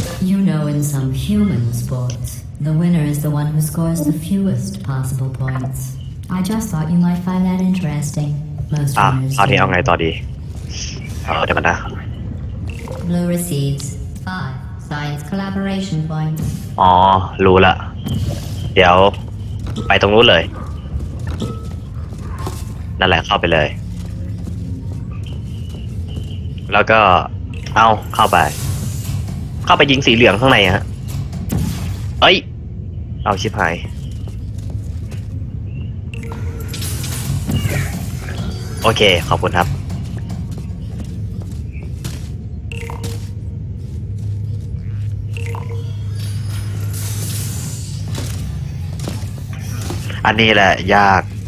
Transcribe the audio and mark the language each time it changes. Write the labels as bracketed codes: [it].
[en] You know, in some human sports, the winner is the one who scores the fewest possible points. I just thought you might find that interesting. Most winners. [th] เอาที่เอาไงต่อดีเดี๋ยวมันนะ [en] Blue receives 5 science collaboration points. [th] อ๋อรู้ละเดี๋ยวไปตรงนู้นเลยนั่นแหละเข้าไปเลย แล้วก็เอาเข้าไปเข้าไปยิงสีเหลืองข้างในฮะเอ้ยเอาชิบหายโอเคขอบคุณครับอันนี้แหละยาก